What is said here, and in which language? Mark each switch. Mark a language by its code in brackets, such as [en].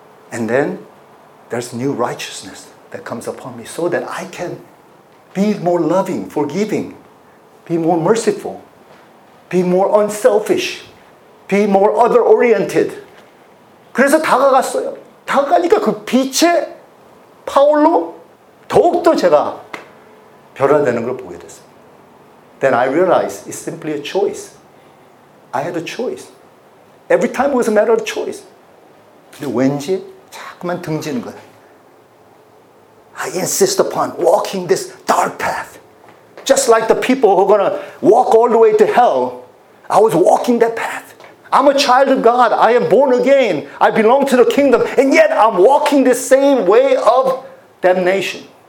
[en] And then there's new righteousness that comes upon me so that I can be more loving, forgiving, be more merciful, be more unselfish, be more other-oriented. [ko] 그래서 다가갔어요. 다가가니까 그 빛의 파울로 더욱더 제가 변화되는 걸 보게 됐어요. [en] Then I realized it's simply a choice. I had a choice. Every time was a matter of choice. [ko] 근데 왠지 자꾸만 등지는 거예요. [en] I insist upon walking this dark path. Just like the people who are going to walk all the way to hell. I was walking that path. I'm a child of God. I am born again. I belong to the kingdom. And yet I'm walking the same way of damnation.